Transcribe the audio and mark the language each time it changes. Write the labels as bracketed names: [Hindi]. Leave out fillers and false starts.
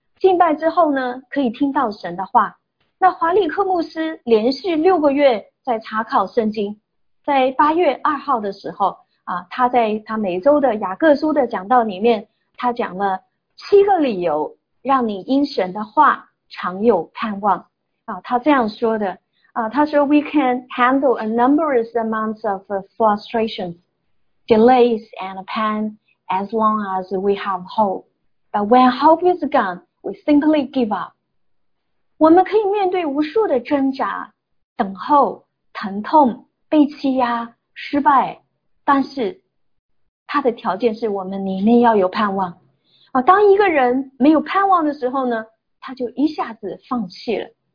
[Chinese] 敬拜之后呢，可以听到神的话。那华利克牧师连续6个月在查考圣经，在8月2号的时候他在他每周的雅各书的讲道里面，他讲了7个理由让你因神的话常有盼望。他这样说的他说 [English] We can handle a numerous amounts of frustrations, delays and pain as long as we have hope. But when hope is gone, we simply give up. [Chinese] 我们可以面对无数的挣扎、等候、疼痛、被欺压、失败，但是他的条件是我们里面要有盼望。当一个人没有盼望的时候呢，他就一下子放弃了。